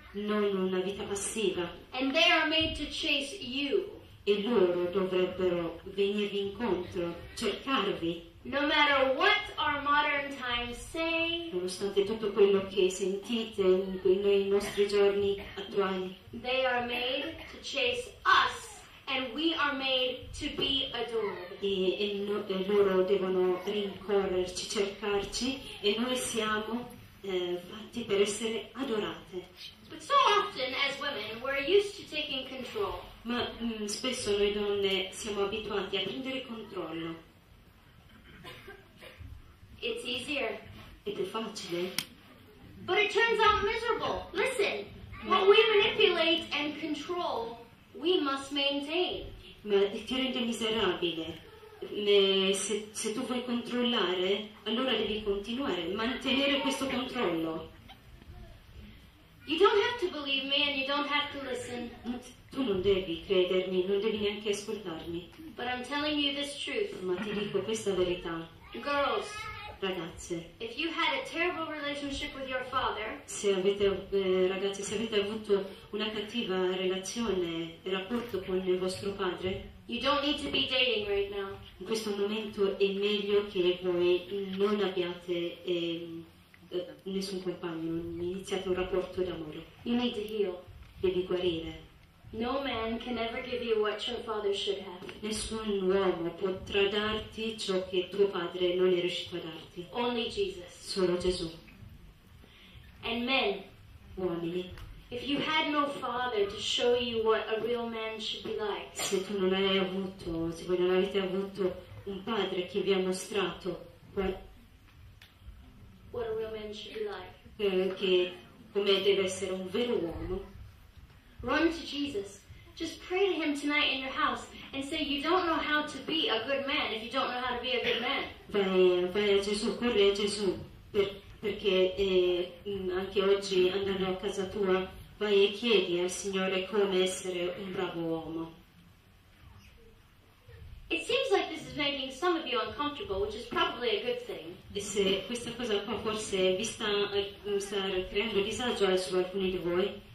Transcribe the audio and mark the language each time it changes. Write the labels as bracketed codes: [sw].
[it] Non una vita passiva. [en] And they are made to chase you. [it] E loro dovrebbero venirvi incontro, cercarvi. [en] No matter what our modern times say. [it] Nonostante tutto quello che sentite nei nostri giorni attuali. [en] They are made to chase us, and we are made to be adored. [it] E loro devono rincorrerci, cercarci, e noi siamo fatti per essere adorate. [en] But so often, as women, we're used to taking control. [it] Ma spesso noi donne siamo abituati a prendere controllo. [en] It's easier. [it] È più facile. [en] But it turns out miserable. Listen. What we manipulate and control, we must maintain. [it] Ma ti rende miserabile. Se tu vuoi controllare, allora devi continuare, mantenere questo controllo. [en] You don't have to believe me and you don't have to listen. [it] Tu non devi credermi, non devi neanche ascoltarmi. [en] But I'm telling you this truth. [it] Ma ti dico questa verità. [en] Girls. [it] Ragazze. [en] If you had a terrible relationship with your father. [it] Se avete avuto una cattiva relazione e rapporto con il vostro padre. [en] You don't need to be dating right now. [it] In questo momento è meglio che voi non abbiate nessun compagno, non iniziate un rapporto d'amore. [en] You need to heal. [it] Devi guarire. [en] No man can ever give you what your father should have. [it] Nessun uomo potrà darti ciò che tuo padre non è riuscito a darti. [en] Only Jesus. [it] Solo Gesù. [en] And men. [it] Uomini. [en] If you had no father to show you what a real man should be like. [it] Se voi non avete avuto un padre che vi ha mostrato [en] what a real man should be like. [it] Che come deve essere un vero uomo. [en] Run to Jesus. Just pray to him tonight in your house and say you don't know how to be a good man if you don't know how to be a good man. [it] Vai a Gesù, corri a Gesù, perché anche oggi andando a casa tua vai e chiedi al Signore come essere un bravo uomo. [en] It seems like this is making some of you uncomfortable, which is probably a good thing. [it] Se questa cosa qua forse vi sta creando disagio su alcuni di voi.